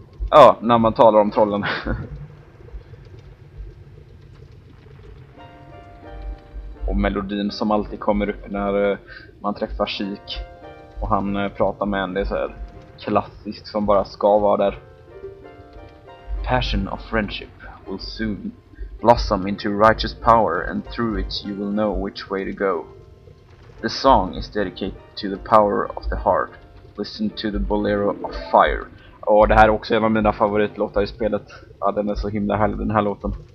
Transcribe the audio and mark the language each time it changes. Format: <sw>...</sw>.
<sv>Ja, när man talar om trollen. Och melodin som alltid kommer upp när man träffar Chic och han pratar med en, det är så här klassisk som bara ska vara där.</sv> <en>Passion of friendship will soon blossom into righteous power and through it you will know which way to go. The song is dedicated to the power of the heart. Listen to the bolero of fire.</en> <sv>Och det här är också en av mina favoritlåtar i spelet. Ja, den är så himla härlig den här låten.</sv>